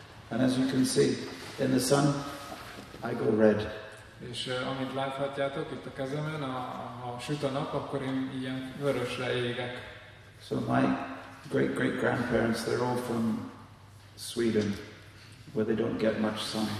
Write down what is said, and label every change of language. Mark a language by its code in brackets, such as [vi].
[en] And as you can see, in the sun, I go red. [hu] És amit láthatjátok itt a kezemen, ha süt a nap, akkor én ilyen vörösre égek. [en] So my great grandparents, they're all from Sweden, where they don't get much sun.